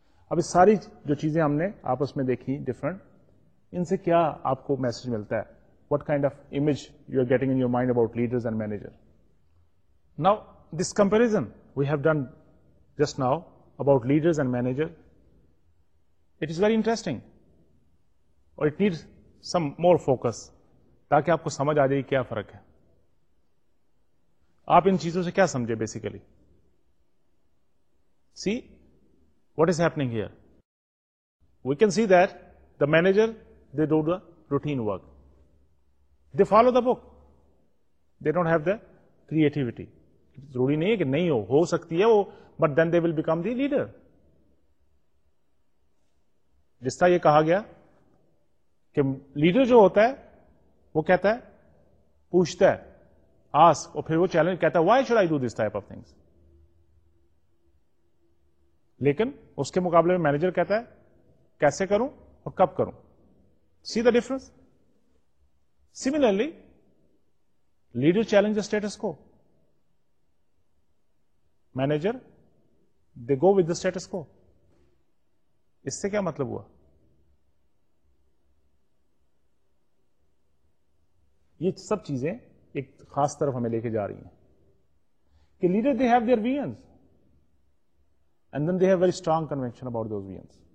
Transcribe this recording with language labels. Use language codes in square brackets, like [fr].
[ur] اب یہ ساری جو چیزیں ہم نے آپس میں دیکھی ڈفرنٹ, ان سے کیا آپ کو میسج ملتا ہے؟ [en] What kind of image you are getting in your mind about leaders and manager? Now, this comparison we have done just now about leaders and manager, it is very interesting. Or it needs some more focus. [ur] تاکہ آپ کو سمجھ آ جائے کیا فرق ہے. آپ ان چیزوں سے کیا سمجھے basically? [en] See what is happening here? We can see that the manager, they do the routine work. They follow the book. They don't have the creativity. [ur] ضروری نہیں ہے کہ نہیں ہو, ہو سکتی ہے وہ, [en] but then they will become the leader. [ur] جس طرح یہ کہا گیا کہ leader جو ہوتا ہے وہ کہتا ہے, پوچھتا ہے, ask, اور پھر وہ challenge کہتا ہے, [en] why should I do this type of things? [ur] لیکن اس کے مقابلے میں مینیجر کہتا ہے کیسے کروں اور کب کروں. [en] See the difference. Similarly leader challenge the status quo, manager they go with the status quo. [ur] اس سے کیا مطلب ہوا؟ یہ سب چیزیں ایک خاص طرف ہمیں لے کے جا رہی ہیں کہ [en] Leader they have their visions and then they have very strong conviction about those visions.